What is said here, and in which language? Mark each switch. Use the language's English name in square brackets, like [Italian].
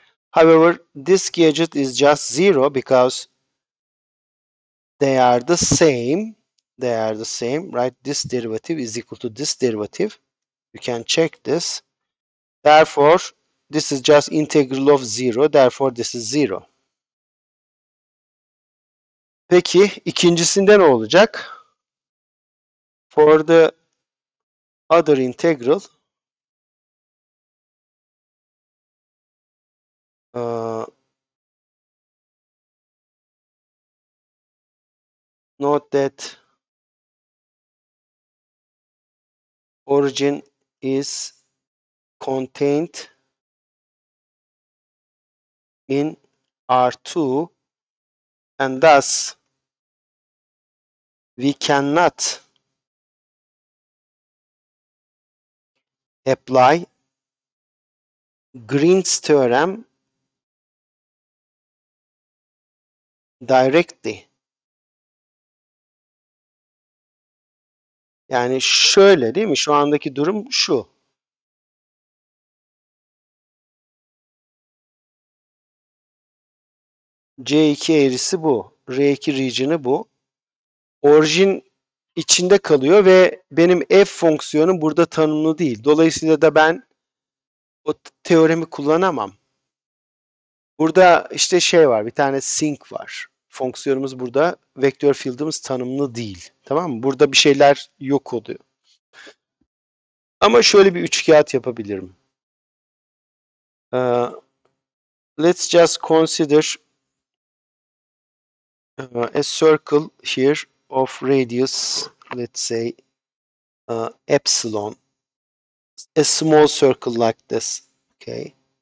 [English] However, this gadget is just zero because they are the same. They are the same, right? This derivative is equal to this derivative. You can check this. Therefore, this is just integral of zero. Therefore, this is zero. [Turkish] Peki, ikincisinde ne olacak? [English] For the other integral, note that origin is contained in R2, and thus we cannot apply Green's theorem directly. [Turkish] Yani şöyle değil mi? Şu andaki durum şu. C2 eğrisi bu. R2 region'ı bu. Orijin içinde kalıyor ve benim f fonksiyonum burada tanımlı değil. Dolayısıyla da ben o teoremi kullanamam. Burada işte şey var, bir tane sink var. Fonksiyonumuz burada, vektör field'ımız tanımlı değil. Tamam mı? Burada bir şeyler yok oluyor. Ama şöyle bir üçkağıt yapabilirim. [English] Let's just consider a circle here of radius, let's say epsilon, a small circle like this, okay?